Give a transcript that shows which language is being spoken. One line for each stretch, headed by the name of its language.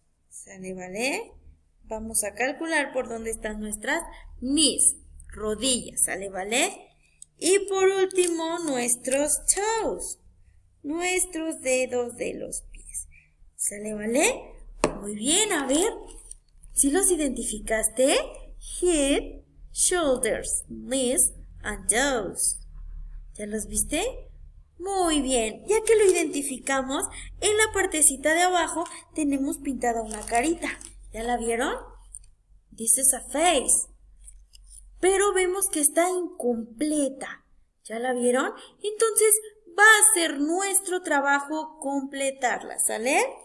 Spanish: ¿Sale, vale? Vamos a calcular por dónde están nuestras knees, rodillas, ¿sale, vale? Y por último, nuestros toes, nuestros dedos de los pies. ¿Sale, vale? Muy bien, a ver, ¿sí los identificaste?
English: Head, shoulders, knees and toes.
Spanish: ¿Ya los viste? Muy bien, ya que lo identificamos, en la partecita de abajo tenemos pintada una carita. ¿Ya la vieron?
English: This is a face.
Spanish: Pero vemos que está incompleta. ¿Ya la vieron? Entonces va a ser nuestro trabajo completarla, ¿sale?